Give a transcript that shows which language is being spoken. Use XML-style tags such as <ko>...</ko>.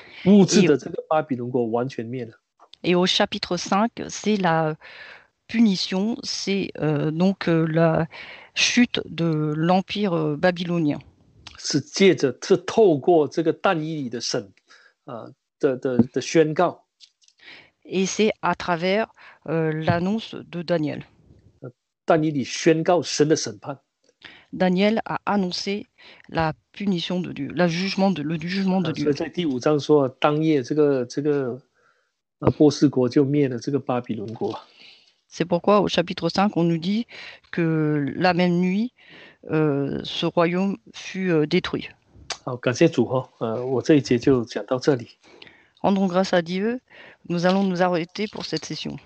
<zh>那这第五章的时候是刑法的，是真的是把这个国都灭了，物质的这个巴比伦国完全灭了。</zh> <fr>Et au chapitre 5, c'est la punition, c'est donc la chute de l'Empire babylonien.</fr> <zh>是透过这个但以理的宣告。</zh> <fr>Et c'est à travers l'annonce de Daniel.</fr> <zh>但以理宣告神的审判。</zh> <fr>Daniel a annoncé la punition de Dieu, la jugement de, le jugement de Dieu.</fr> <zh>所以在第五章说，当夜这个波斯国就灭了这个巴比伦国。</zh> <fr>C'est pourquoi au chapitre 5, on nous dit que la même nuit, ce royaume fut détruit.</fr> <zh>Oh，感谢主哦，我这一节就讲到这里。</zh> <fr>Rendons grâce à Dieu, nous allons nous arrêter pour cette session.</fr>